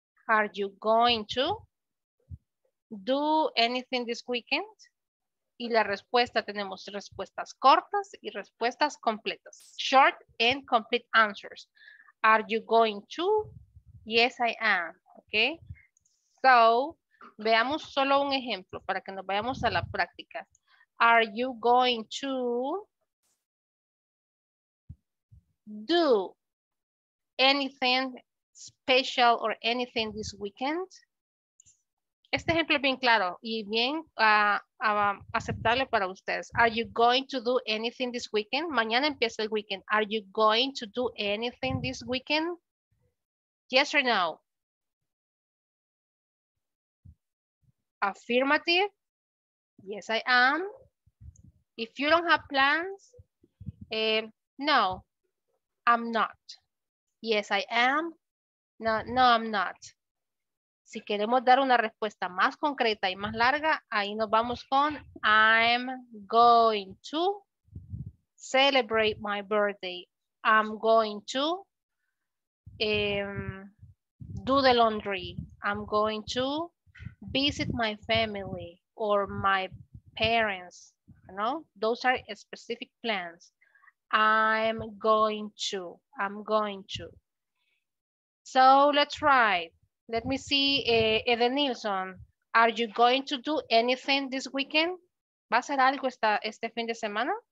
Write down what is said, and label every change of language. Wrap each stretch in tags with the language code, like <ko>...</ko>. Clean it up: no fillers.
<en>Are you going to do anything this weekend?</en> <es>Y la respuesta, tenemos respuestas cortas y respuestas completas.</es> <en>Short and complete answers. Are you going to? Yes, I am. Okay.</en> <es>So, veamos solo un ejemplo para que nos vayamos a la práctica.</es> <en>Are you going to do anything special or anything this weekend?</en> <es>Este ejemplo es bien claro y bien aceptable para ustedes.</es> <en>Are you going to do anything this weekend?</en> <es>Mañana empieza el weekend.</es> <en>Are you going to do anything this weekend? Yes or no? Affirmative. Yes, I am. If you don't have plans, no, I'm not. Yes, I am. No, no, I'm not.</en> <es>Si queremos dar una respuesta más concreta y más larga, ahí nos vamos con</es> <en>I'm going to celebrate my birthday. I'm going to do the laundry. I'm going to visit my family or my parents. You know, those are specific plans. I'm going to. So let's try. Let me see, Eden Nilsson. Are you going to do anything this weekend?</en> <es>¿Va a hacer algo este fin de semana?</es>